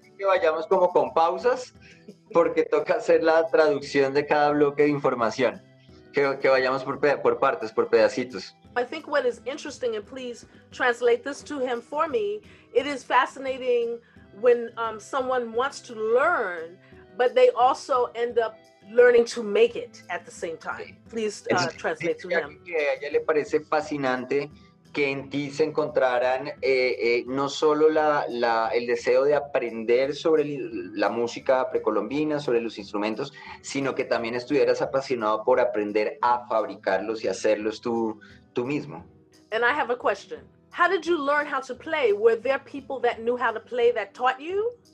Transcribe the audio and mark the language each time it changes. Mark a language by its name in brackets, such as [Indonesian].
[Spanish] Que vayamos como con pausas, porque toca hacer la traducción de cada bloque de información. Que vayamos por partes, por pedacitos. [English] I think what is interesting, and please translate this to him for me, it is fascinating when someone wants to learn, but they also end up learning to make it at the same time. Please translate to him. [Spanish] A ella le parece fascinante que en ti se encontraran no solo el deseo de aprender sobre la música precolombina, sobre los instrumentos, sino que también estuvieras apasionado por aprender a fabricarlos y hacerlos tú mismo. [English] And I have a question. How did you learn how to play? Were there people that knew how to play that taught you?